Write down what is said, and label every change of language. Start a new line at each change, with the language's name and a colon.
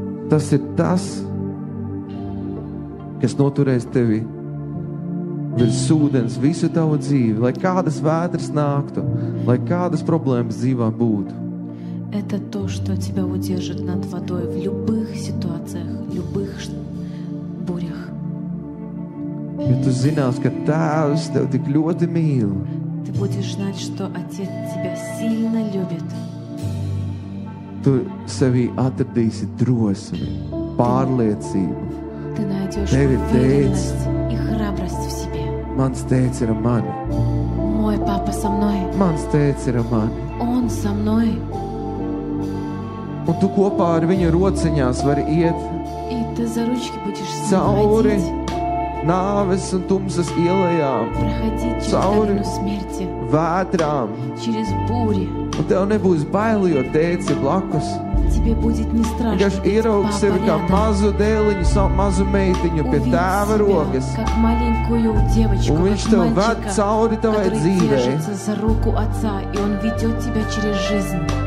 Latvian: Tas ir tas, kas noturēs tevi virs ūdens visu tavu dzīvi, lai kādas vētras nāktu, lai kādas problēmas dzīvā būtu.
Russian: Это то, что тебя удержит над водой в любых ситуациях, в любых бурях.
Latvian: Ja tu zinās, ka Tēvs tev tik ļoti mīl.
Russian: Ты будешь знать, что Отец тебя сильно любит.
Latvian: tu sevi atradīsi drosmi, pārliecību. Tevi tēts.
Russian: И храбрость в себе.
Latvian: Mans tēts ir ar mani.
Russian: Мой папа со мной.
Latvian: Mans tēts ir ar mani.
Russian: Он со мной.
Latvian: Un tu kopā ar viņu rociņās vari iet.
Russian: И ты за ручки будешь с ним
Latvian: Nāves un tumsas ielējām.
Russian: Проходить через огонь смерти.
Latvian: Vētrām.
Russian: Через бури.
Latvian: Un tev nebūs baili, jo tēts ir blakus.
Russian: Тебе будет не страшно.
Latvian: Kaš ieraug sevi kā mazu dēliņu, mazu meitiņu pie tēva rokas.
Russian: Как маленькую девочку.
Latvian: Un viņš tev ved cauri tavai dzīvei.
Russian: Который держится за руку отца, и он ведёт тебя через жизнь.